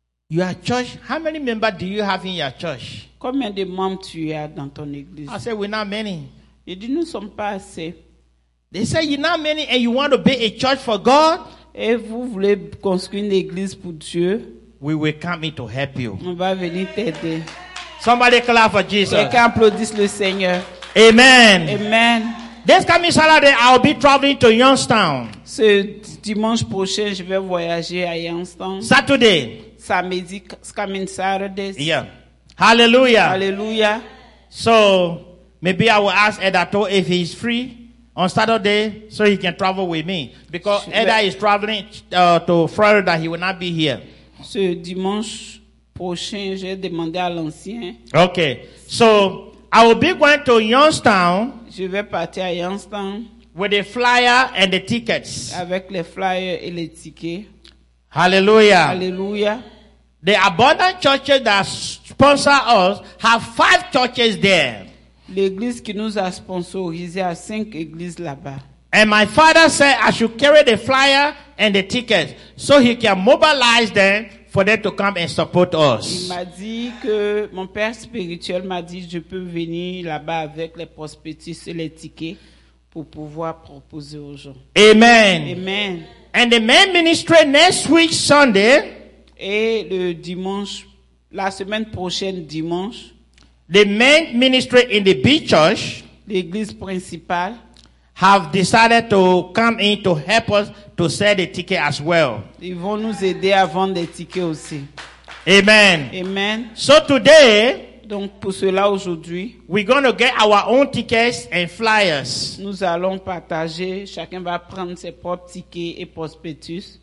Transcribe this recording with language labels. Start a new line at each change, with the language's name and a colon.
English: Your church, how many members do you have in your church?
French: Combien de membres tu as dans ton église?
English: I said, we're not many.
French: Il dit, nous ne sommes pas assez.
English: They say, you're not many and you want to build a church for God?
French: Et vous voulez construire une église pour Dieu?
English: We will come in to help you.
French: On va venir t'aider.
English: Somebody clap for Jesus.
French: Et qu'on applaudisse le Seigneur.
English: Amen.
French: Amen.
English: This coming Saturday, I'll be traveling to Youngstown.
French: Ce dimanche prochain, je vais voyager à Youngstown.
English: Saturday.
French: Samedi,
English: coming Saturday. Yeah. Hallelujah.
French: Hallelujah.
English: So, maybe I will ask Edato if he's free on Saturday so he can travel with me. Because Eda is traveling to Florida, he will not be here.
French: Ce dimanche prochain, j'ai demandé à l'ancien.
English: Okay. So, I will be going to Youngstown.
French: Je vais partir à Youngstown.
English: With the flyer and the tickets.
French: Avec les flyers et les tickets.
English: Hallelujah.
French: Hallelujah.
English: The abundant churches that sponsor us have 5 churches there.
French: L'église qui nous a sponsorisé a 5 églises là-bas.
English: And my father said I should carry the flyer and the tickets so he can mobilize them for them to come and support us.
French: Il m'a dit que mon père spirituel m'a dit je peux venir là-bas avec les prospectus et les tickets pour pouvoir proposer aux gens.
English: Amen.
French: Amen.
English: And the main ministry next week Sunday.
French: Et le dimanche, la semaine prochaine dimanche.
English: The main ministry in the big church.
French: L'église principale.
English: Have decided to come in to help us to sell the ticket as well.
French: Ils vont nous aider à vendre les tickets aussi.
English: Amen.
French: Amen.
English: So today.
French: Donc pour cela aujourd'hui.
English: We're going to get our own tickets and flyers.
French: Nous allons partager. Chacun va prendre ses propres tickets et prospectus.